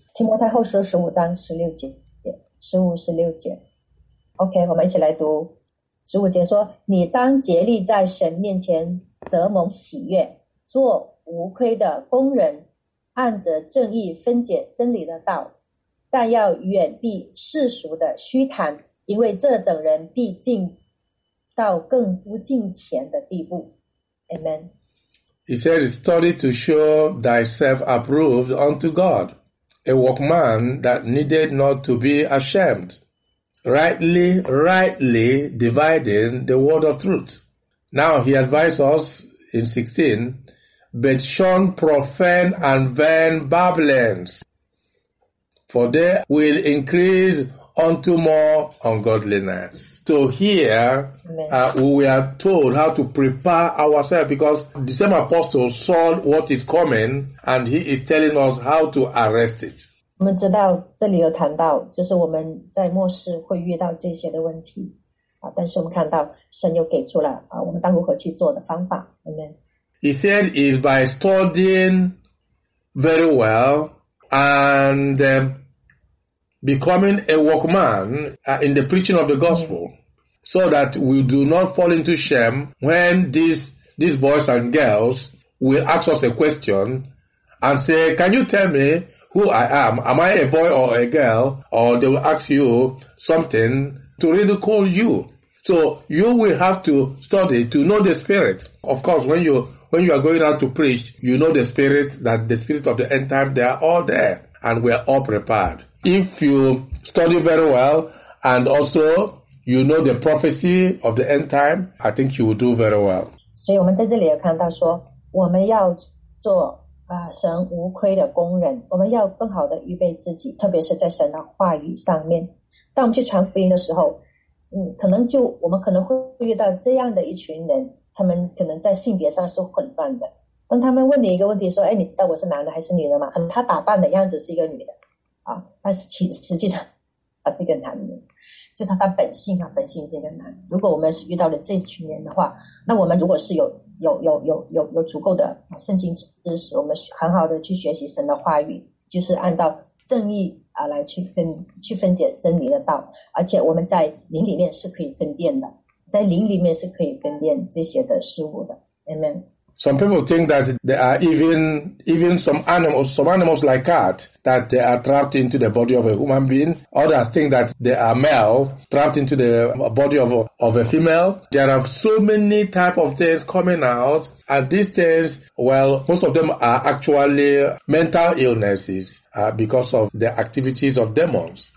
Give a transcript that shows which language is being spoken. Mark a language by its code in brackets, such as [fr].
[zh] 提摩太后书15:16 OK 我们一起来读15说你当竭力在神面前得蒙喜悦做无亏的工人按着正义分解真理的道但要远避世俗的虚谈因为这等人必进到更不敬虔的地步 Amen [en] He said study to show thyself approved unto GodA workman that needed not to be ashamed, rightly dividing the word of truth. Now he advised us in 16, but shun profane and vain babblings, for they will increase unto more ungodliness. So here we are told how to prepare ourselves because the same apostle saw what is coming and he is telling us how to arrest it. [zh] 我们知道这里有谈到就是我们在末世会遇到这些的问题但是我们看到神又给出了我们当如何去做的方法 Amen. [en] He said it's by studying very well and becoming a workman in the preaching of the gospel so that we do not fall into shame when these boys and girls will ask us a question and say, can you tell me who I am? Am I a boy or a girl? Or they will ask you something to ridicule you. So you will have to study to know the spirit. Of course, when you are going out to preach, you know the spirit, that the spirit of the end time, they are all there and we are all prepared. If you study very well and also you know the prophecy of the end time, I think you will do very well. [zh] 所以我们在这里有看到说我们要做神无亏的工人我们要更好的预备自己特别是在神的话语上面。当我们去传福音的时候可能就我们可能会遇到这样的一群人他们可能在性别上是混乱的。当他们问你一个问题说你知道我是男的还是女的吗可能他打扮的样子是一个女的。但是实际上他是一个男人就是他本性本性是一个男人如果我们是遇到了这群人的话那我们如果是有足够的圣经知识我们很好的去学习神的话语就是按照正义来去分解真理的道而且我们在灵里面是可以分辨的在灵里面是可以分辨这些的事物的。 [en] Amen. Some people think that there are even some animals like cat that they are trapped into the body of a human being. Others think that they are male trapped into the body of a female. There are so many type of things coming out. And these things, well, most of them are actually mental illnesses because of the activities of demons.